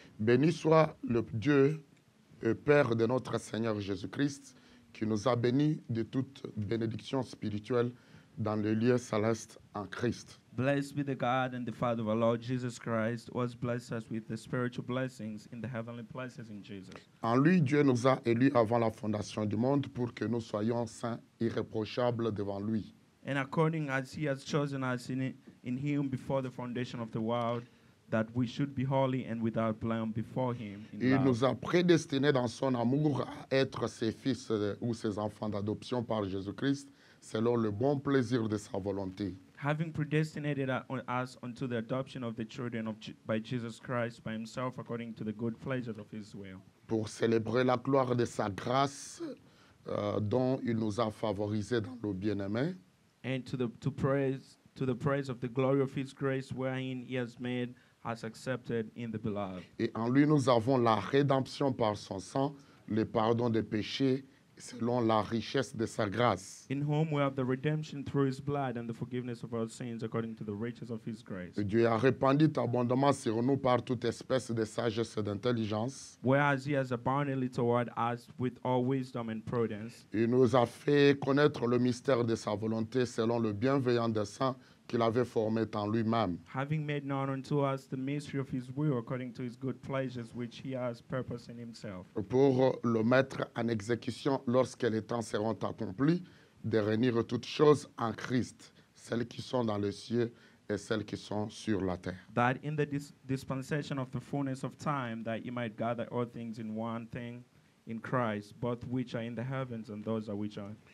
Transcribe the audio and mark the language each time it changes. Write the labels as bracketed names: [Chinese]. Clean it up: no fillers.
[French] Béni soit le Dieu et Père de notre Seigneur Jésus-Christ, qui nous a bénis de toute bénédiction spirituelle dans les lieux célestes en Christ. [English] Blessed be the God and the Father of our Lord Jesus Christ, who has blessed us with the spiritual blessings in the heavenly places in Jesus. [French] En lui, Dieu nous a élus avant la fondation du monde pour que nous soyons saints irréprochables devant lui. [English] And according as he has chosen us in him before the foundation of the world, that we should be holy and without blame before him in [French] love. Il nous a prédestinés dans son amour à être ses fils ou ses enfants d'adoption par Jésus-Christ, selon le bon plaisir de sa volonté. [English] Having predestinated us unto the adoption of the children of by Jesus Christ by himself according to the good pleasure of his will. [French] Pour célébrer la gloire de sa grâce dont il nous a favorisés dans le bien-aimé. [English] And to the praise of the glory of his grace wherein he has made us accepted in the beloved. [French] Et en lui nous avons la rédemption par son sang, le pardon des péchés selon la richesse de sa grâce. [English] In whom we have the redemption through his blood and the forgiveness of our sins according to the riches of his grace. [French] Et Dieu a répandu abondamment sur nous par toute espèce de sagesse et d'intelligence. [English] Whereas he has abundantly toward us with all wisdom and prudence. [French] Il nous a fait connaître le mystère de sa volonté selon le bienveillant dessein qu'il avait formé en lui-même. [English] Having made known unto us the mystery of his will according to his good pleasures which he has purposed in himself. [French] Pour le mettre en exécution lorsque les temps seront accomplis, de réunir toutes choses en Christ, celles qui sont dans les cieux et celles qui sont sur la terre. [English] That in the dispensation of the fullness of time that he might gather all things in one thing in Christ, both which are in the heavens and those are which are